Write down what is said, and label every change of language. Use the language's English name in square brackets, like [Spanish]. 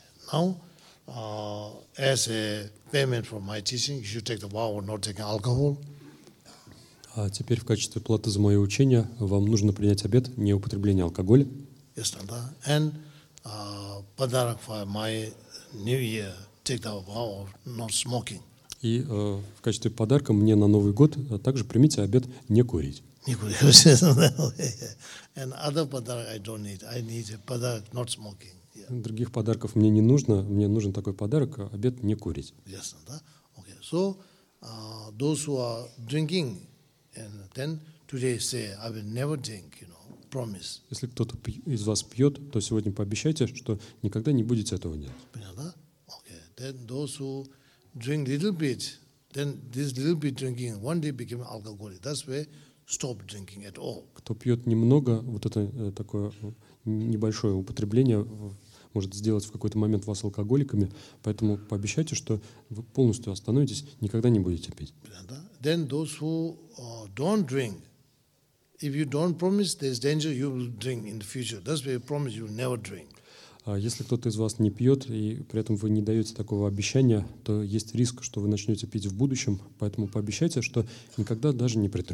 [English] Now, as a payment for my teaching, you should take the vow of not taking alcohol. [Russian] А теперь в качестве платы за мое учение вам нужно принять обет не употребления алкоголя. [English] Yes, and [Russian] подарок [English] for my new year, take the vow of not smoking. [Russian] И в качестве подарка мне на Новый год также примите обет не курить. Не курить. [English] And other [Russian] подарок [English] I don't need. I need a [Russian] подарок [English] not smoking. Yeah. [Russian] Других подарков мне не нужно. Мне нужен такой подарок, обет не курить. Ясно, да? [English] Okay. So, those who are drinking, and then today say, I will never drink, you know, promise. [Russian] Если кто-то из вас пьет, то сегодня пообещайте, что никогда не будете этого делать. Понятно? [English] Okay. Then those who drink little bit, then this little bit drinking one day became alcoholic. That's why stop drinking at all. [Russian] Кто пьет немного, вот это такое небольшое употребление может сделать в какой-то момент вас алкоголиками, поэтому пообещайте, что вы полностью остановитесь, никогда не будете пить. [English] Then those who don't drink, if you don't promise, there's danger you will drink in the future. That's why you promise you will never drink. [Russian] Если кто-то из вас не пьет, и при этом вы не даете такого обещания, то есть риск, что вы начнете пить в будущем, поэтому пообещайте, что никогда даже не